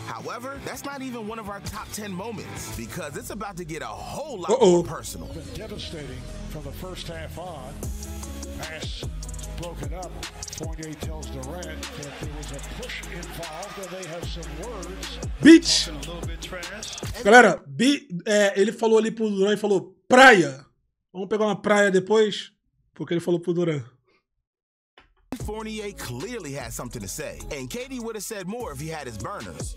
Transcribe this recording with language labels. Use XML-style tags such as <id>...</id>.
<en>However, that's not even one of our top 10 moments, because it's about to get a whole lot more personal. Devastating from the first half on. Pass broken up. Poirier tells Durant that there was a push involved, and they have some words. Bitch!</en> <pt>Galera, ele falou ali pro Durant e falou, praia! Vamos pegar uma praia depois? Porque ele falou pro Durant.</pt> <en>Fournier clearly had something to say, and KD would have said more if he had his burners.</en>